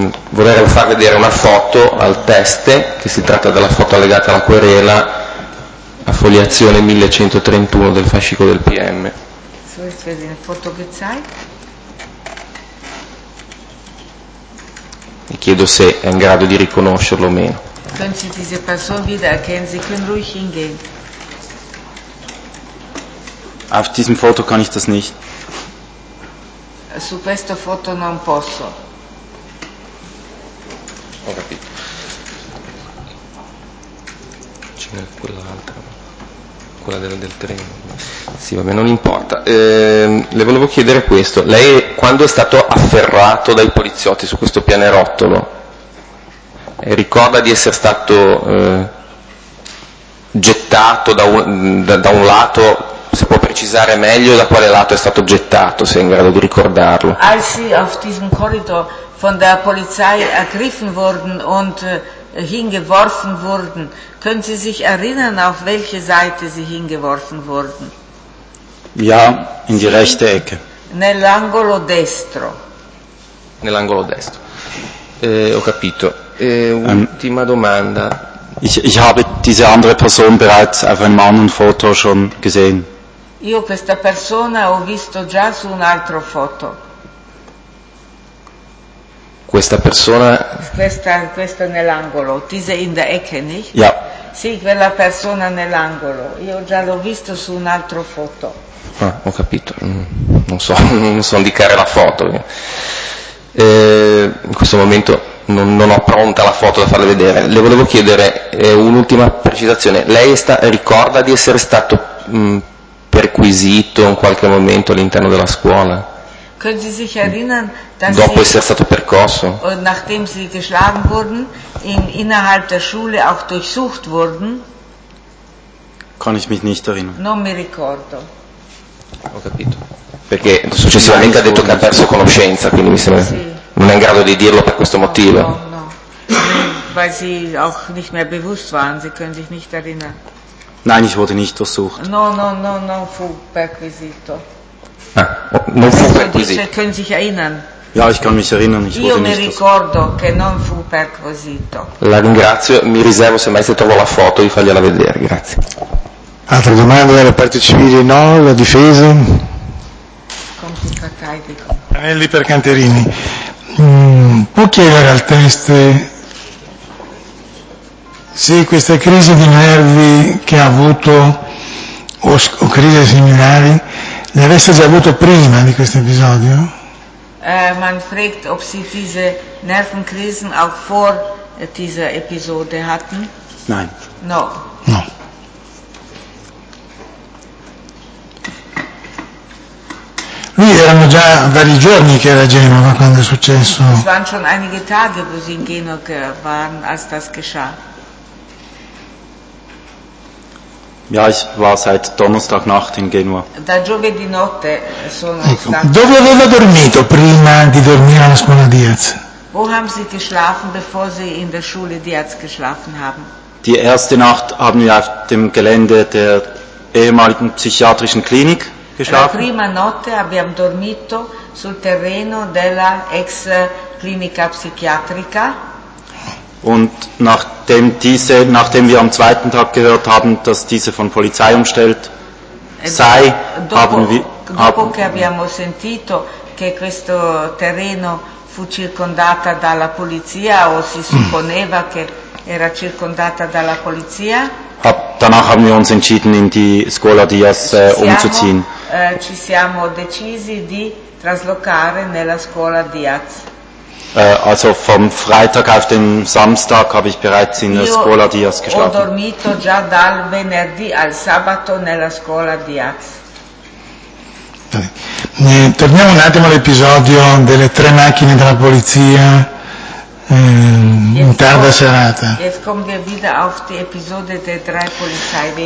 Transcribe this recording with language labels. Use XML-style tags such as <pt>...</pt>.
<it>Vorrei far vedere una foto al teste, che si tratta della foto allegata alla querela, a foliazione 1131 del fascicolo del PM. La foto che sai? E chiedo se è in grado di riconoscerlo o meno.</it> <de>Können Sie diese Person wiedererkennen? Sie können ruhig hingehen. Auf diesem Foto kann ich das nicht.</de> <it>Su questo foto non posso. Ho capito. C'è quell'altra. Quella del treno. Sì, vabbè, non importa. Le volevo chiedere questo. Lei quando è stato afferrato dai poliziotti su questo pianerottolo? Ricorda di essere stato gettato da un lato, se può precisare meglio da quale lato è stato gettato, se è in grado di ricordarlo.</it> <de>Als sie auf diesem Korridor von der Polizei ergriffen wurden und hingeworfen wurden, können Sie sich erinnern, auf welche Seite sie hingeworfen wurden? Ja, in die rechte Ecke.</de> <it>Nell'angolo destro. Nell'angolo destro. Ho capito. Ultima domanda.</it> <de>Ich habe diese andere Person bereits auf einem anderen Foto schon gesehen.</de> <it>Io questa persona ho visto già su un altro foto. Questa persona. Questa nell'angolo.</it> <de>Diese in der Ecke, nicht? Ja.</de> <it>Sì, quella persona nell'angolo. Io già l'ho visto su un altro foto. Ah, ho capito. Non so indicare la foto. In questo momento. Non ho pronta la foto da farle vedere. Le volevo chiedere un'ultima precisazione. Lei ricorda di essere stato perquisito in qualche momento all'interno della scuola?</it> <de>Können Sie sich erinnern, dass</de> <it>dopo essere stato percosso?</it> <de>Nachdem Sie geschlagen wurden, innerhalb der Schule auch durchsucht wurden? Kann ich mich nicht erinnern.</de> <it>Non mi ricordo. Ho capito. Perché successivamente ha detto che ha perso conoscenza, quindi mi sembra. Sì. Non è in grado di dirlo per questo motivo. No.</it> <de>Weil sie auch nicht mehr bewusst waren, sie können sich nicht erinnern. Nein, ich wurde nicht durchsucht.</de> <it>No, non fu perquisito. Ah, non fu perquisito.</it> <de>Sie können sich erinnern. Ja, ich kann mich erinnern, ich wurde nicht durchsucht.</de> <it>Io mi ricordo che non fu perquisito. La ringrazio, mi riservo se mai se trovo la foto di fargliela vedere, grazie. Altre domande dalle parti civili? No, la difesa? Complicatico. Anelli per Canterini. Può chiedere al test se questa crisi di nervi che ha avuto o crisi similari ne avesse già avuto prima di questo episodio?</it> <de>Man fragt ob sie diese Nervenkrisen auch vor dieser Episode hatten. Nein.</de> <it>No. No. Lui erano già vari giorni che era a Genova quando è successo.</it> <de>Es waren schon einige Tage, wo sie in Genova waren, als das geschah. Ja, ich war seit Donnerstagnacht in Genova.</de> <it>Da giovedì notte sono ecco. Stato. Dove aveva dormito prima di dormire alla scuola Diaz?</it> <de>Wo haben sie geschlafen, bevor sie in der Schule Diaz geschlafen haben? Die erste Nacht haben wir auf dem Gelände der ehemaligen psichiatrischen Klinik.</de> <it>La prima notte abbiamo dormito sul terreno della ex clinica psichiatrica.</it> <de>Und nachdem wir am zweiten Tag gehört haben, dass diese von Polizei umstellt sei, haben wir</de> <it>dopo che abbiamo sentito che questo terreno fu circondata dalla polizia o si supponeva che era circondata dalla polizia.</it> <de>Danach haben wir uns entschieden, in die Scuola Diaz umzuziehen.</de> <it>Ci siamo decisi di traslocare nella Scuola Diaz.</it> <de>Also vom Freitag auf den Samstag habe ich bereits in der Scuola Diaz geschlafen.</de> <it>Ho dormito già dal venerdì al sabato nella Scuola Diaz. Torniamo un attimo all'episodio delle tre macchine della polizia in tarda serata.</it> <de>Jetzt kommen wir wieder auf die Episode der drei Polizeiwagen.</de>